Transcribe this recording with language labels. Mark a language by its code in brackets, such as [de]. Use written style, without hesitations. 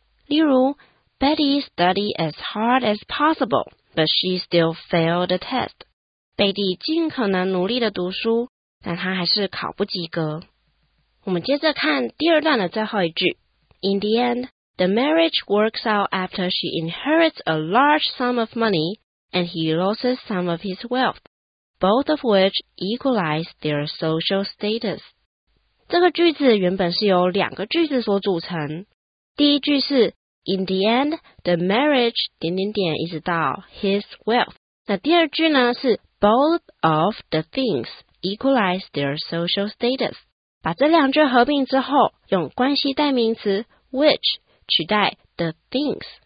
[en] 例如 Betty studied as hard as possible but she still failed the test。 [zh] 贝蒂尽可能努力的读书，但她还是考不及格。我们接着看第二段的最后一句， [en] In the end the marriage works out after she inherits a large sum of money and he loses some of his wealthBoth of which equalize their social status。 [zh] 这个句子原本是由两个句子所组成。第一句是 [en] In the end, the marriage [zh] 点点点一直到 his wealth。那第二句呢是 [en] Both of the things equalize their social status。 [zh] 把这两句合并之后，用关系代名词 which 取代 the things。